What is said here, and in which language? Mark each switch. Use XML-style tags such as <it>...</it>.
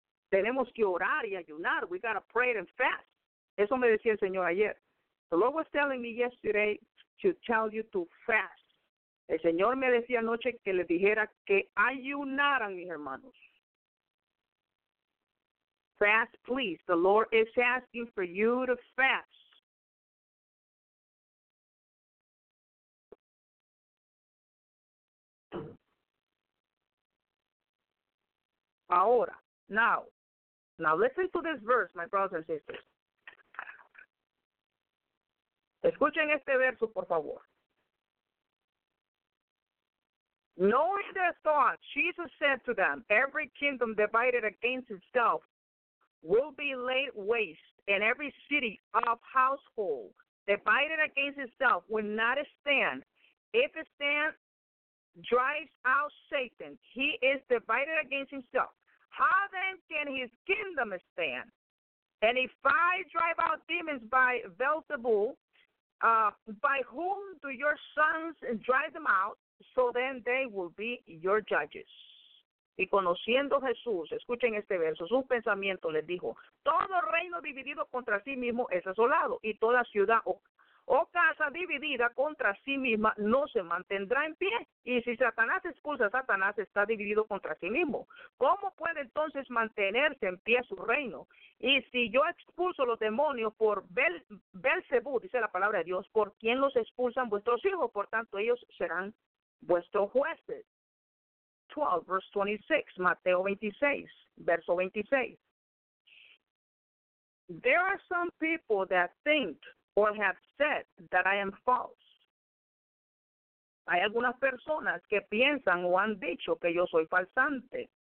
<es>Tenemos que orar y ayunar.</es> <en>We got to pray and fast.</en> <es>Eso me decía el Señor ayer.</es> <en>The Lord was telling me yesterday to tell you to fast.</en> <es>El Señor me decía anoche que le dijera que ayunaran, mis hermanos.</es> <en>Fast, please. The Lord is asking for you to fast.</en> <es>Ahora,</es> <en>now listen to this verse, my brothers and sisters.</en> <es>Escuchen este verso, por favor.</es> <en>Knowing their thoughts, Jesus said to them, every kingdom divided against itself will be laid waste, and every city of household divided against itself will not stand. If it stands, drives out Satan. He is divided against himself. How then can his kingdom stand? And if I drive out demons by Beelzebul, by whom do your sons drive them out? So then they will be your judges.</en> <es>Y conociendo Jesús, escuchen este verso, su pensamiento les dijo, todo reino dividido contra sí mismo es asolado, y toda ciudad o casa dividida contra sí misma no se mantendrá en pie. Y si Satanás expulsa a Satanás, está dividido contra sí mismo. ¿Cómo puede entonces mantenerse en pie su reino? Y si yo expulso los demonios por Belcebú, dice la palabra de Dios, ¿por quién los expulsan vuestros hijos? Por tanto, ellos serán vuestros jueces. 12, verse 26, Mateo 26, verso 26.</es> <en>There are some people that think or have said that I am false.</en> <es>Hay algunas personas que piensan o han dicho que yo soy falsante.</es>